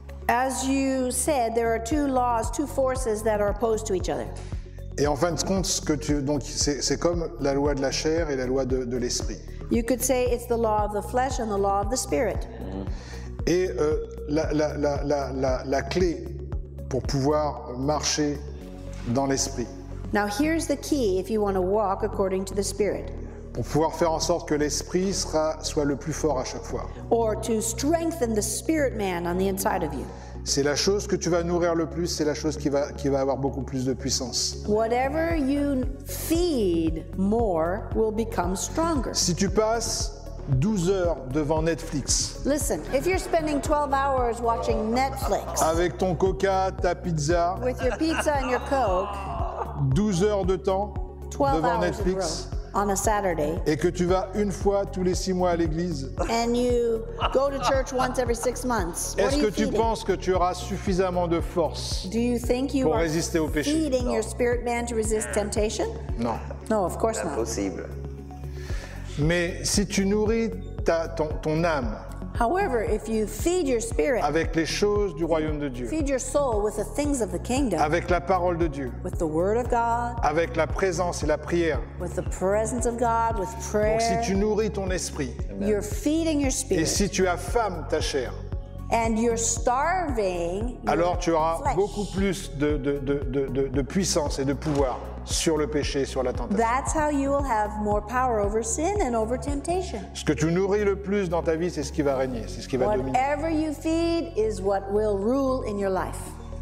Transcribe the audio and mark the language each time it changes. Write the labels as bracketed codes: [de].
[en] As you said, there are two laws, two forces that are opposed to each other. [fr] Et en fin de compte, c'est comme la loi de la chair et la loi de l'esprit. [en] You could say it's the law of the flesh and the law of the spirit. [fr] Et la clé pour pouvoir marcher dans l'esprit. [en] Now here's the key if you want to walk according to the spirit. [fr] Pour pouvoir faire en sorte que l'esprit soit le plus fort à chaque fois. [en] Or to strengthen the spirit man on the inside of you. [fr] C'est la chose que tu vas nourrir le plus, c'est la chose qui va avoir beaucoup plus de puissance. [en] Whatever you feed more will become stronger. [fr] Si tu passes 12 heures devant Netflix. [en] Listen, if you're spending 12 hours watching Netflix. [fr] Avec ton coca, ta pizza. [en] With your pizza and your coke. [fr] 12 heures de temps devant Netflix. [en] On a Saturday. [fr] Et que tu vas une fois tous les 6 mois à l'église. [en] And you go to church once every 6 months. [fr] Est-ce que tu penses que tu auras suffisamment de force pour résister au péché? [en] Feeding your spirit man to resist temptation? [fr] Non. [en] No, of course not. [fr] Impossible. Mais si tu nourris ton âme. [en] However, if you feed your spirit, [fr] avec les choses du royaume de Dieu, [en] feed your soul with the things of the kingdom, [fr] avec la parole de Dieu, [en] with the word of God, [fr] avec la présence et la prière, [en] with the presence of God, with prayer. [fr] Donc si tu nourris ton esprit, [en] amen. You're feeding your spirit, [fr] et si tu affames ta chair, [en] and you're starving, [fr] alors [en] your [fr] tu auras [en] flesh. [fr] Beaucoup plus de puissance et de pouvoir sur le péché, sur la tentation. [en] That's how you will have more power over sin and over temptation. [fr] Ce que tu nourris le plus dans ta vie, c'est ce qui va régner, c'est ce qui va [en] whatever [fr] dominer. [en] Whatever you feed is what will rule in your life.